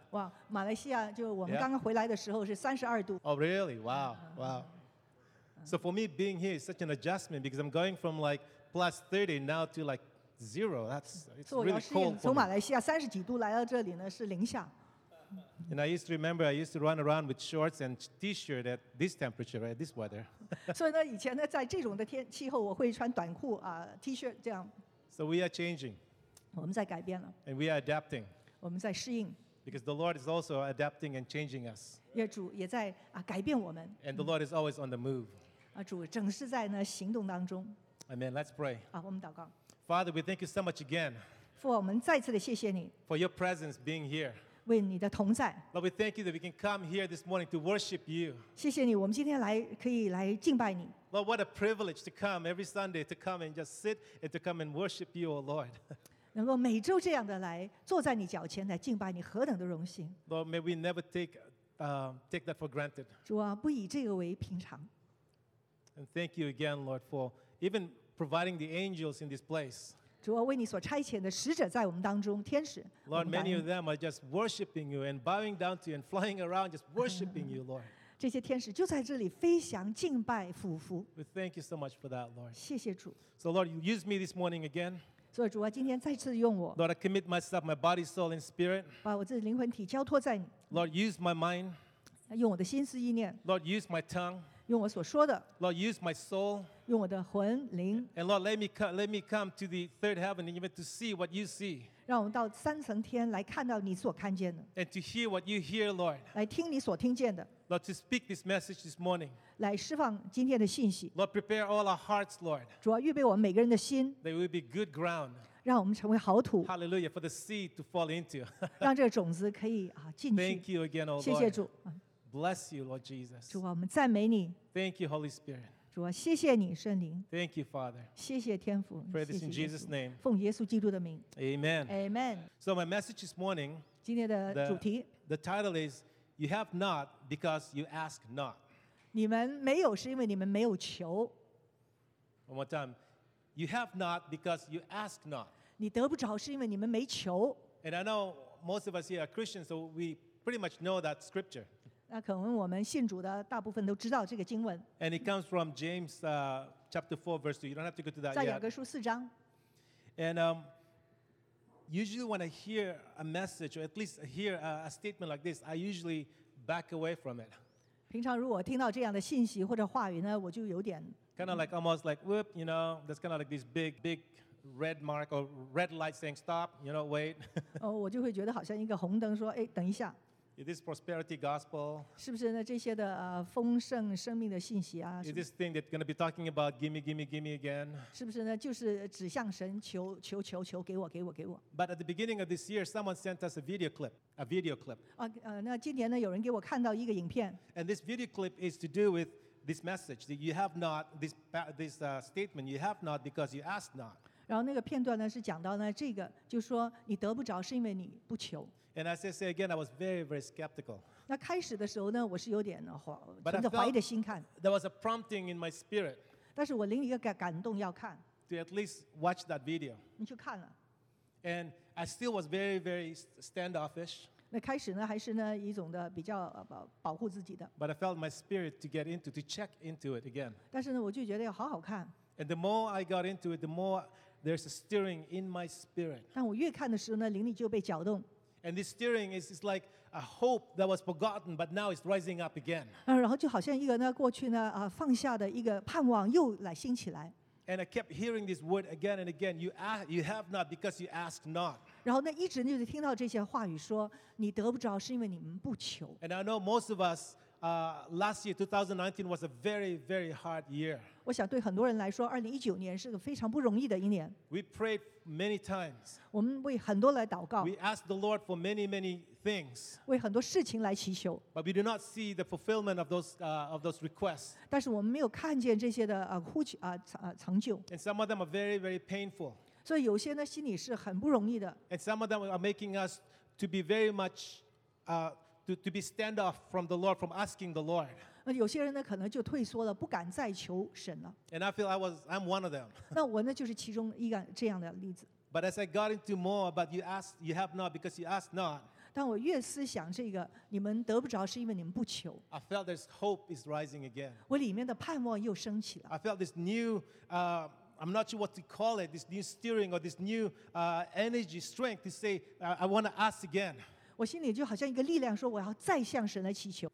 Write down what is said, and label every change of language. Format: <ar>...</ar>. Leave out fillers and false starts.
<zh>哇，马来西亚就我们刚刚回来的时候是32度。</zh> <en>Oh, really? Wow, wow. So for me, being here is such an adjustment because I'm going from like plus 30 now to like zero. That's really cold.</en> <zh>从马来西亚30几度来到这里呢是零下。</zh> <en>And I used to remember I used to run around with shorts and t-shirt at this temperature, at this weather.</en> <zh>所以呢，以前呢，在这种的天气候，我会穿短裤啊，t-shirt这样。</zh> <en>So we are changing.</en> <zh>我们在改变了。</zh> <en>And we are adapting.</en> <zh>我们在适应。</zh> <en>Because the Lord is also adapting and changing us.</en> <zh>也主也在啊改变我们。</zh> <en>And the Lord is always on the move.</en> <zh>啊，主整是在呢行动当中。</zh> <en>Amen. Let's pray.</en> <zh>啊，我们祷告。</zh> <en>Father, we thank you so much again.</en> <zh>父，我们再次的谢谢你。</zh> <en>For your presence being here. Lord, we thank you that we can come here this morning to worship you.</en> <zh>谢谢你，我们今天来可以来敬拜你。</zh> <en>Lord, what a privilege to come every Sunday to come and just sit and to come and worship you, O Lord.</en> <zh>能够每周这样的来坐在你脚前来敬拜你，何等的荣幸！</zh> <en>Lord, may we never take that for granted.</en> <zh>主啊，不以这个为平常。</zh> <en>And thank you again, Lord, for even providing the angels in this place.</en> <zh>主啊，为你所差遣的使者在我们当中，天使。</zh> <en>Lord, many of them are just worshiping you and bowing down to you and flying around, just worshiping you, Lord.</en> <zh>这些天使就在这里飞翔敬拜俯伏。</zh> <en>We thank you so much for that, Lord.</en> <zh>谢谢主。</zh> <en>So, Lord, you use me this morning again.</en> <zh>所以主啊，今天再次用我。</zh> <en>Lord, I commit myself, my body, soul, and spirit.</en> <zh>把我自己灵魂体交托在你。</zh> <en>Lord, use my mind.</en> <zh>用我的心思意念。</zh> <en>Lord, use my tongue.</en> <zh>用我所说的。</zh> <en>Lord, use my soul.</en> <zh>用我的魂灵。</zh> <en>And Lord, let me come to the third heaven and even to see what you see.</en> <zh>让我们到三层天来看到你所看见的。</zh> <en>And to hear what you hear, Lord.</en> <zh>来听你所听见的。</zh> <en>Lord, to speak this message this morning.</en> <zh>来释放今天的信息。</zh> <en>Lord, prepare all our hearts, Lord.</en> <zh>主啊，预备我们每个人的心。</zh> <en>That we will be good ground.</en> <zh>让我们成为好土。</zh> <en>Hallelujah, for the seed to fall into.</en> <zh>让这个种子可以进去。</zh> <en>Thank you again, O Lord.</en> <zh>谢谢主。</zh> <en>Bless you, Lord Jesus.</en> <zh>主啊，我们赞美你。</zh> <en>Thank you, Holy Spirit.</en> <zh>主啊，谢谢你，圣灵。</zh> <en>Thank you, Father.</en> <zh>谢谢天父。</zh> <en>Pray this in Jesus' name.</en> <zh>奉耶稣基督的名。</zh> <en>Amen. Amen. So my message this morning.</en> <zh>今天的主题。</zh> <en>The title is, "You have not because you ask not."</en> <zh>你们没有是因为你们没有求。</zh> <en>One more time, "You have not because you ask not."</en> <zh>你得不着是因为你们没求。</zh> <en>And I know most of us here are Christians, so we pretty much know that scripture.</en> <zh>那可能我们信主的大部分都知道这个经文。</zh> <en>And it comes from James chapter 4 verse 2. You don't have to go to that yet.</en> <zh>在雅各书四章。</zh> <en>And usually when I hear a message or at least hear a statement like this, I usually back away from it.</en> <zh>平常如果听到这样的信息或者话语呢，我就有点</zh> <en>kind of like almost like whoop, you know, that's kind of like this big red mark or red light saying stop, you know, wait.</en> <zh>哦，我就会觉得好像一个红灯说，哎，等一下。</zh> <en>Is this prosperity gospel?</en> <zh>是不是呢？这些的 丰盛生命的信息啊？</zh> <en>Is this thing that's going to be talking about gimme, gimme, gimme again?</en> <zh>是不是呢？就是指向神求求求求给我给我给我。</zh> <en>But at the beginning of this year, someone sent us a video clip.</en> <zh>那今年呢，有人给我看到一个影片。</zh> <en>And this video clip is to do with this message that you have not this statement you have not because you ask not.</en> <zh>然后那个片段呢是讲到呢这个，就说你得不着是因为你不求。</zh> <en>And as I say again, I was very, very skeptical.</en> <zh>那开始的时候呢，我是有点怀疑的心看。</zh> <en>But I felt there was a prompting in my spirit.</en> <zh>但是我灵里一个感动要看。</zh> <en>To at least watch that video.</en> <zh>你去看了。And</zh> <en>I still was very, very standoffish.</en> <zh>那开始呢，还是呢一种的比较保护自己的。</zh> <en>But I felt my spirit to get into, to check into it again.</en> <zh>但是呢，我就觉得要好好看。And</zh> <en>the more I got into it, the more there's a stirring in my spirit.</en> <zh>但我越看的时候呢，灵里就被搅动。</zh> <en>And this steering is like a hope that was forgotten, but now it's rising up again.</en> <zh>然后就好像一个过去放下的一个盼望又来兴起来。</zh> <en>And I kept hearing this word again and again. You have not because you ask not.</en> <zh>然后那一直就听到这些话语说，你得不着是因为你们不求。</zh> <en>And I know most of us, last year 2019 was a very, very hard year.</en> <zh>我想对很多人来说，2019年是个非常不容易的一年。</zh> <en>We prayed many times.</en> <zh>我们为很多来祷告。</zh> <en>We asked the Lord for many, many things.</en> <zh>为很多事情来祈求。</zh> <en>But we do not see the fulfillment of those requests.</en> <zh>但是我们没有看见这些的成就。</zh> <en>And some of them are very, very painful.</en> <zh>所以有些呢，心里是很不容易的。</zh> <en>And some of them are making us to be very much, to be standoff from the Lord, from asking the Lord.</en> <zh>有些人呢，可能就退缩了，不敢再求神了。</zh> <en>And I feel I'm one of them.</en> <zh>那我呢，就是其中一个这样的例子。</zh> <en>But as I got into more, but you ask, you have not because you ask not.</en> <zh>当我越思想这个，你们得不着是因为你们不求。</zh> <en>I felt this hope is rising again.</en> <zh>我里面的盼望又升起了。</zh> <en>I felt this new, I'm not sure what to call it, this new steering or this new energy, strength to say, I want to ask again.</en> <zh>我心里就好像一个力量说我要再向神来祈求。</zh>